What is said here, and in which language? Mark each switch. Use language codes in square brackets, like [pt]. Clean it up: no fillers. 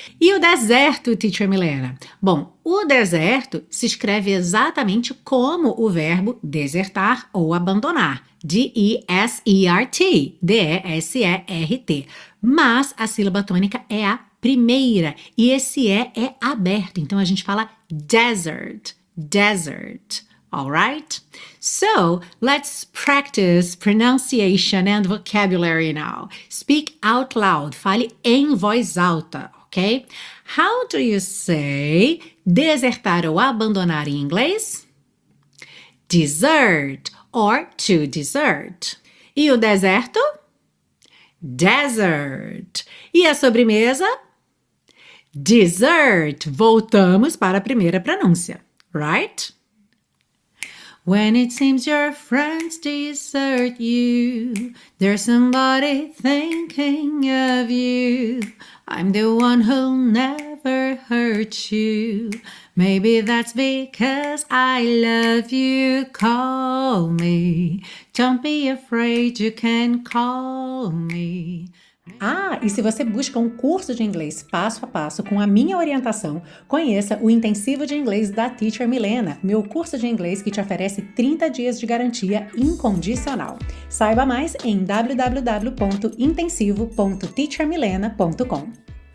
[pt] E o deserto, Teacher Milena? Bom, o deserto se escreve exatamente como o verbo desertar ou abandonar, D-E-S-E-R-T, D-E-S-E-R-T, mas a sílaba tônica é a primeira e esse E é aberto, então a gente fala desert, desert. [en] Alright? So, let's practice pronunciation and vocabulary now. Speak out loud. [pt] Fale em voz alta, ok? [en] How do you say [pt] desertar ou abandonar em inglês? [en] Desert or to desert. [pt] E o deserto? Desert. E a sobremesa? Dessert. Voltamos para a primeira pronúncia, right? [en] When it seems your friends desert you, there's somebody thinking of you. I'm the one who'll never hurt you. Maybe that's because I love you. Call me. Don't be afraid, you can call me. [pt] Ah, e se você busca um curso de inglês passo a passo com a minha orientação, conheça o Intensivo de Inglês da Teacher Milena, meu curso de inglês que te oferece 30 dias de garantia incondicional. Saiba mais em www.intensivo.teachermilena.com.